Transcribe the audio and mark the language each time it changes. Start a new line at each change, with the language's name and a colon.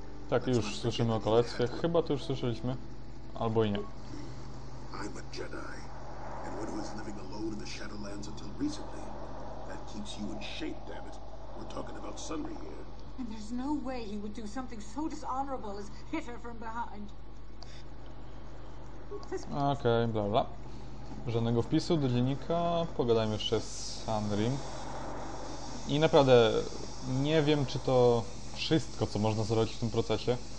Polish: Tak, już słyszymy o kolectwie. Chyba to już słyszeliśmy. Albo i nie.
English: I'm a Jedi. And when I was living alone in the Shadowlands until recently, that keeps you in shape, dammit. We're talking about Sunri here. And there's no way he would do something so dishonorable as hit her from behind.
Polish: Okej, bla bla. Żadnego wpisu do dziennika. Pogadajmy jeszcze z Sunrim. I naprawdę nie wiem, czy to wszystko, co można zrobić w tym procesie.